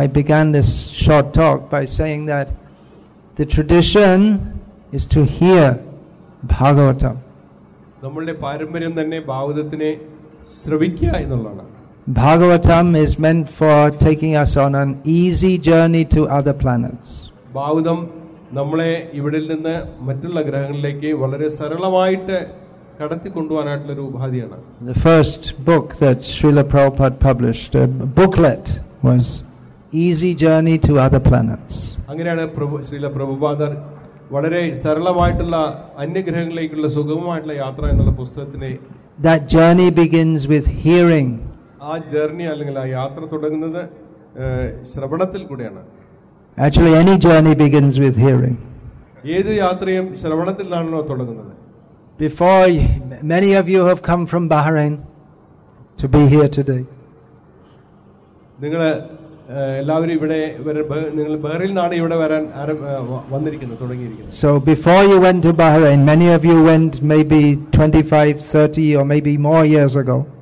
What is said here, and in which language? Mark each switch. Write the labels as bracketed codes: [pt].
[en] I began this short talk by saying that the tradition is to hear Bhagavatam. [ml] നമ്മുടെ പാരമ്പര്യം തന്നെ ഭാഗവതത്തിനെ ശ്രവിക്കുക എന്നുള്ളതാണ്. [en] Bhagavatam is meant for taking us on an easy journey to other planets. [ml] Bhagavatam നമ്മളെ ഇവിടെ നിന്ന് മറ്റുള്ള ഗ്രഹങ്ങളിലേക്ക് വളരെ സരളമായിട്ട് കടത്തി കൊണ്ടുപോകാനായിട്ടുള്ള ഒരു ഉപാധിയാണ്. [en] The first book that Srila Prabhupada published, a booklet, was Easy Journey to Other Planets. [ml] അങ്ങനെയാണ് ശ്രീല പ്രഭുപാദർ വളരെ സരളമായിട്ടുള്ള അന്യഗ്രഹങ്ങളിലേക്കുള്ള സുഗമമായിട്ടുള്ള യാത്ര എന്നുള്ള പുസ്തകത്തിനെ. [en] That journey begins with hearing. [ml] ആ ജേർണി അല്ലെങ്കിൽ ആ യാത്ര തുടങ്ങുന്നത് ശ്രവണത്തിൽ കൂടെയാണ്. [en] Actually any journey begins with hearing. [ml] ഏതു യാത്രയും ശ്രവണത്തിലാണല്ലോ തുടങ്ങുന്നത്. [en] Before many of you have come from Bahrain to be here today. [ml] നിങ്ങൾ എല്ലാവരും ഇവിടെ നിങ്ങൾ ബഹ്റൈനാണ് ഇവിടെ വരാൻ വന്നിരിക്കുന്നത്, തുടങ്ങിയിരിക്കുന്നത്. [en] So before you went to Bahrain, many of you went maybe 25 30 or maybe more years ago.